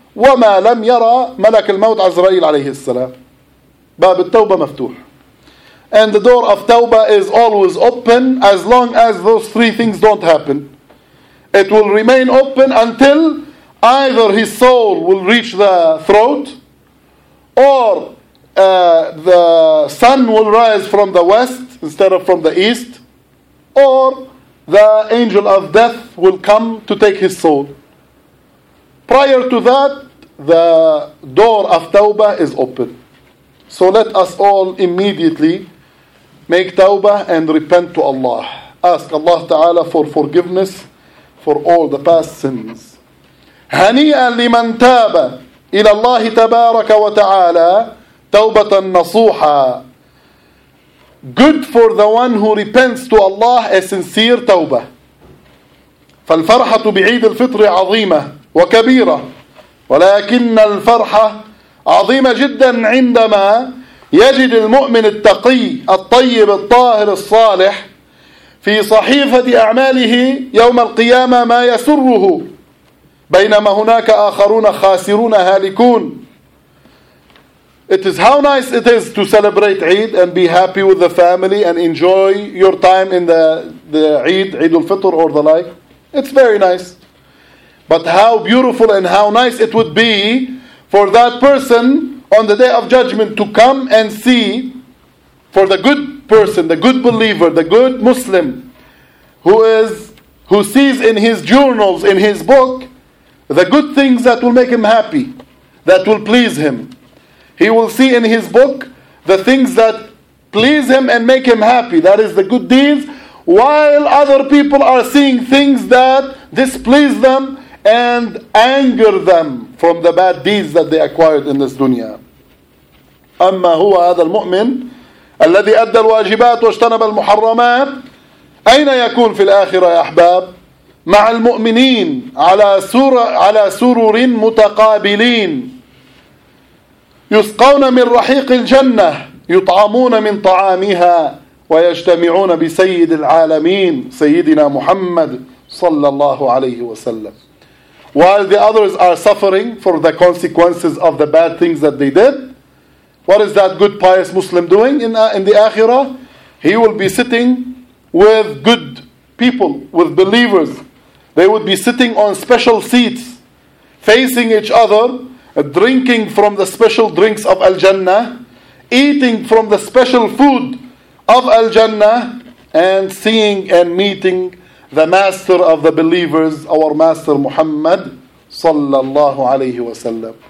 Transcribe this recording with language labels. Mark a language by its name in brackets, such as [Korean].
[Arabic] وما لم يرى ملك الموت عزرائيل عليه السلام. باب التوبة مفتوح. [English] And the door of Tawbah is always open as long as those three things don't happen. It will remain open until either his soul will reach the throat, or the sun will rise from the west instead of from the east, or the angel of death will come to take his soul. Prior to that, the door of Tawbah is open. So let us all immediately make tawbah and repent to Allah. Ask Allah Ta'ala for forgiveness for all the past sins. [Arabic] هَنِيئًا لِمَنْ تَابَ إِلَى اللَّهِ تَبَارَكَ وَتَعَالَى تَوْبَةً نَصُوحًا. [English] Good for the one who repents to Allah a sincere tawbah. [Arabic] فَالْفَرْحَةُ بِعِيدِ الْفِطْرِ عَظِيمَةً وَكَبِيرَةً وَلَكِنَّ الْفَرْحَةُ عَظِيمَةً جِدًّا عِنْدَمَا يجد المؤمن التقي الطيب الطاهر الصالح في صحيفة أعماله يوم القيامة ما يسره، بينما هناك آخرون خاسرون هالكون. [English] It is how nice it is to celebrate Eid and be happy with the family and enjoy your time in the Eid, Eid al-Fitr or the like. It's very nice. But how beautiful and how nice it would be for that person on the Day of Judgment to come and see for the good person, the good believer, the good Muslim who sees in his journals, in his book, the good things that will make him happy, that will please him. He will see in his book the things that please him and make him happy. That is the good deeds, while other people are seeing things that displease them and anger them from the bad deeds that they acquired in this dunya. [Arabic] أما هو هذا المؤمن الذي أدى الواجبات واجتنب المحرمات أين يكون في الآخرة يا أحباب؟ مع المؤمنين على سرر متقابلين، يسقون من رحيق الجنة، يطعمون من طعامها، ويجتمعون بسيد العالمين سيدنا محمد صلى الله عليه وسلم. [English] While the others are suffering for the consequences of the bad things that they did, what is that good pious Muslim doing in the Akhirah? He will be sitting with good people, with believers. They would be sitting on special seats, facing each other, drinking from the special drinks of Al-Jannah, eating from the special food of Al-Jannah, and seeing and meeting the master of the believers, our master Muhammad sallallahu alayhi wa sallam.